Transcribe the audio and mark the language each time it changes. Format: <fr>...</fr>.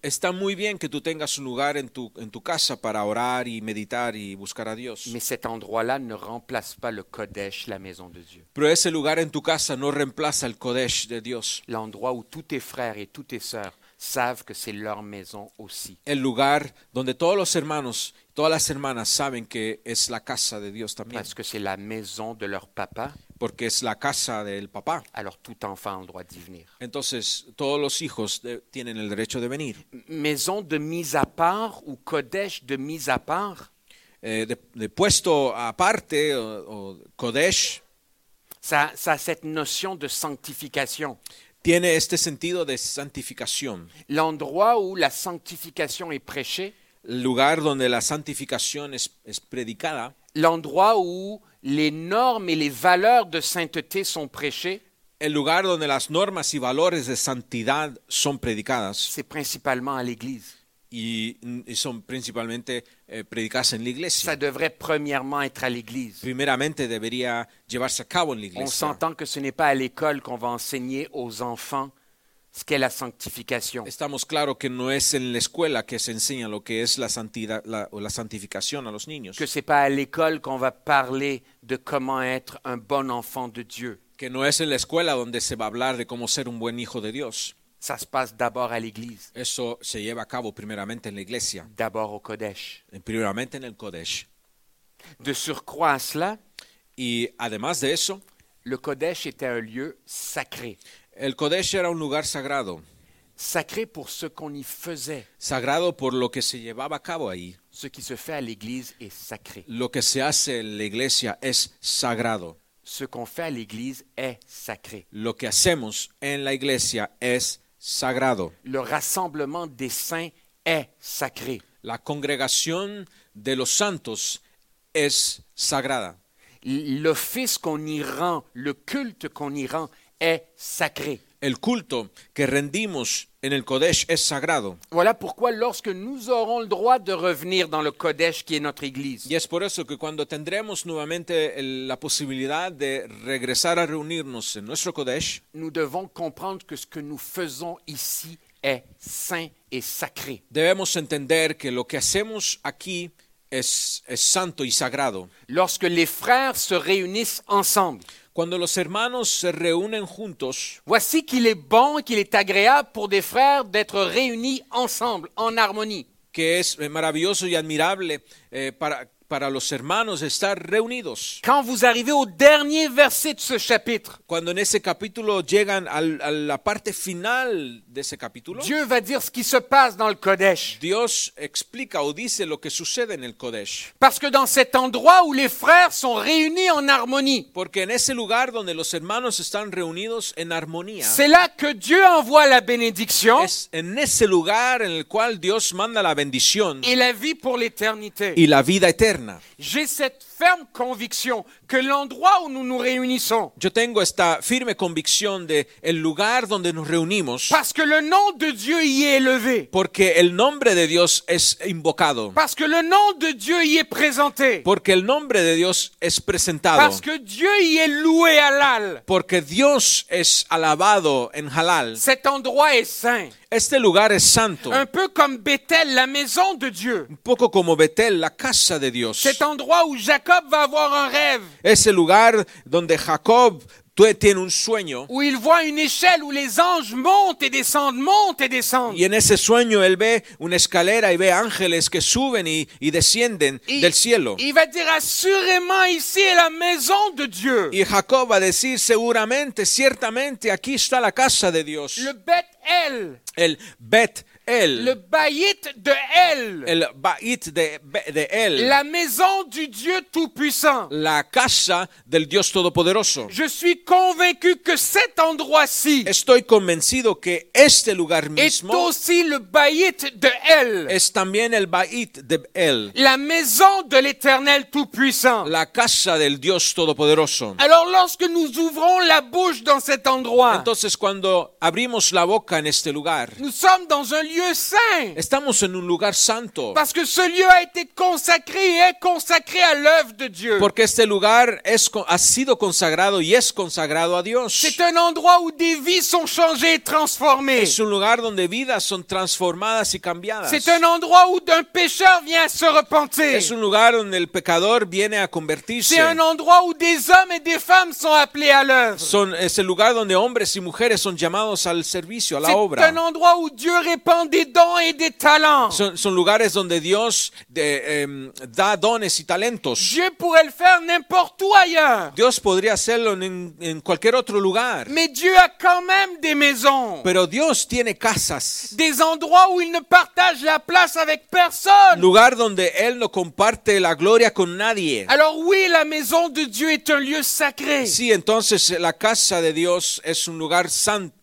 <es>Está muy bien que tú tengas un lugar en tu casa para orar y meditar y buscar a Dios.</es> <fr>Mais cet endroit-là ne remplace pas le kodesh, la maison de Dieu.</fr> <es>Pero ese lugar en tu casa no reemplaza el kodesh de Dios.</es> <fr>L'endroit où tous tes frères et toutes tes sœurs savent que c'est leur maison aussi.</fr> <es>El lugar donde todos los hermanos, todas las hermanas saben que es la casa de Dios también.</es> <fr>Parce que c'est la maison de leur papa.</fr> <es>Porque es la casa del papá.</es> <fr>Alors tout enfant a le droit d'y venir.</fr> <es>Entonces todos los hijos tienen el derecho de venir.</es> <fr>Maison de mise à part ou kodesh de mise à part.</fr> <es>De puesto aparte o kodesh.</es> <fr>Ça a cette notion de sanctification.</fr> <es>Tiene este sentido de santificación.</es> <fr>L'endroit où la sanctification est prêchée.</fr> <es>El lugar donde la santificación es predicada.</es> <fr>L'endroit où les normes et les valeurs de sainteté sont prêchées.</fr> <es>El lugar donde las normas y valores de santidad son predicadas.</es> <fr>C'est principalement à l'église.</fr> <es>Y son principalmente predicadas en la iglesia.</es> <fr>Ça devrait premièrement être à l'église.</fr> <es>Primeramente debería llevarse a cabo en la iglesia.</es> <fr>On s'entend que ce n'est pas à l'école qu'on va enseigner aux enfants ce qu'est la sanctification.</fr> <es>Estamos claro que no es en la escuela que se enseña lo que es la santificación a los niños.</es> <fr>Que c'est pas à l'école qu'on va parler de comment être un bon enfant de Dieu.</fr> <es>Que no es en la escuela donde se va a hablar de cómo ser un buen hijo de Dios.</es> <fr>Ça se passe d'abord à l'église.</fr> <es>Eso se lleva a cabo primeramente en la iglesia.</es> <fr>D'abord au kodesh.</fr> <es>Primeramente en el kodesh.</es> <fr>De surcroît à cela,</fr> <es>y además de eso,</es> <fr>le kodesh était un lieu sacré.</fr> <es>El kodesh era un lugar sagrado.</es> <fr>Sacré pour ce qu'on y faisait.</fr> <es>Sagrado por lo que se llevaba a cabo ahí.</es> <fr>Ce qui se fait à l'église est sacré.</fr> <es>Lo que se hace en la iglesia es sagrado.</es> <fr>Ce qu'on fait à l'église est sacré.</fr> <es>Lo que hacemos en la iglesia es sagrado.</es> <fr>Le rassemblement des saints est sacré.</fr> <es>La congregación de los santos es sagrada.</es> <fr>L'office qu'on y rend, le culte qu'on y rend est sacré.</fr> <es>El culto que rendimos en el kodesh es sagrado.</es> <fr>Voilà pourquoi lorsque nous aurons le droit de revenir dans le kodesh qui est notre église.</fr> <es>Y es por eso que cuando tendremos nuevamente la posibilidad de regresar a reunirnos en nuestro kodesh,</es> <fr>nous devons comprendre que ce que nous faisons ici est saint et sacré.</fr> <es>Debemos entender que lo que hacemos aquí es santo y sagrado.</es> <fr>Lorsque les frères se réunissent ensemble.</fr> <es>Cuando los hermanos se reúnen juntos,</es> <fr>voici qu'il est bon et qu'il est agréable pour des frères d'être réunis ensemble en harmonie.</fr> <es>Que es maravilloso y admirable para los hermanos estar reunidos.</es> <fr>Quand vous arrivez au dernier verset de ce chapitre,</fr> <es>cuando en ese capítulo llegan a la parte final de ese capítulo,</es> <fr>Dieu va dire ce qui se passe dans le kodesh.</fr> <es>Dios explica o dice lo que sucede en el kodesh.</es> <fr>Parce que dans cet endroit où les frères sont réunis en harmonie,</fr> <es>porque en ese lugar donde los hermanos están reunidos en armonía,</es> <fr>c'est là que Dieu envoie la bénédiction.</fr> <es>Es en ese lugar en el cual Dios manda la bendición.</es> <fr>Et la vie pour l'éternité.</fr> <es>Y la vida eterna.</es> <fr>J'ai cette ferme conviction que l'endroit où nous nous réunissons.</fr> <es>Yo tengo esta firme convicción de el lugar donde nos reunimos.</es> <fr>Parce que le nom de Dieu y est élevé.</fr> <es>Porque el nombre de Dios es invocado.</es> <fr>Parce que le nom de Dieu y est présenté.</fr> <es>Porque el nombre de Dios es presentado.</es> <fr>Parce que Dieu y est loué halal.</fr> <es>Porque Dios es alabado en halal.</es> <fr>Cet endroit est saint.</fr> <es>Este lugar es santo.</es> <fr>Un peu comme Bethel, la maison de Dieu.</fr> <es>Un poco como Bethel, la casa de Dios.</es> <fr>Cet endroit où Jacob va avoir un rêve.</fr> <es>Ese lugar donde Jacob tiene un sueño.</es> <fr>Où il voit une échelle où les anges montent et descendent.</fr> <es>Y en ese sueño él ve una escalera y ve ángeles que suben y descienden del cielo.</es> <fr>Il va dire assurément ici est la maison de Dieu.</fr> <es>Y Jacob va decir seguramente, ciertamente aquí está la casa de Dios.</es> <fr>Le Bet-El.</fr> <es>El Bet-El.</es> <fr>Le Bayit de El.</fr> <es>El Bayit de El.</es> <fr>La maison du Dieu Tout-Puissant.</fr> <es>La casa del Dios Todopoderoso.</es> <fr>Je suis convaincu que cet endroit-ci.</fr> <es>Estoy convencido que este lugar mismo.</es> <fr>Est aussi le Bayit de El.</fr> <es>Es también el Bayit de El.</es> <fr>La maison de l'Éternel Tout-Puissant.</fr> <es>La casa del Dios Todopoderoso.</es> <fr>Alors lorsque nous ouvrons la bouche dans cet endroit.</fr> <es>Entonces cuando abrimos la boca en este lugar.</es> <fr>Nous sommes dans un lieu lieu saint.</fr> <es>Estamos en un lugar santo.</es> <fr>Parce que ce lieu a été consacré et est consacré à l'œuvre de Dieu.</fr> <es>Porque este lugar es ha sido consagrado y es consagrado a Dios.</es> <fr>C'est un endroit où des vies sont changées et transformées.</fr> <es>Es un lugar donde vidas son transformadas y cambiadas.</es> <fr>C'est un endroit où d'un pécheur vient se repentir.</fr> <es>Es un lugar donde el pecador viene a convertirse.</es> <fr>C'est un endroit où des hommes et des femmes sont appelés à l'œuvre.</fr> <es>Es el lugar donde hombres y mujeres son llamados al servicio, a la</es> <fr>C'est</fr> <es>obra.</es> <fr>C'est un endroit où Dieu répand des dons et des talents.</fr> <es>Son lugares donde Dios da dones y talentos.</es> <fr>Dieu pourrait le faire n'importe où ailleurs.</fr> <es>Dios podría hacerlo en cualquier otro lugar.</es> <fr>Mais Dieu a quand même des maisons.</fr> <es>Pero Dios tiene casas.</es> <fr>Des endroits où il ne partage la place avec personne.</fr> <es>Lugar donde él no comparte la gloria con nadie.</es> <fr>Alors oui, la maison de Dieu est un lieu sacré.</fr> <es>Sí, entonces la casa de Dios es un lugar santo.</es>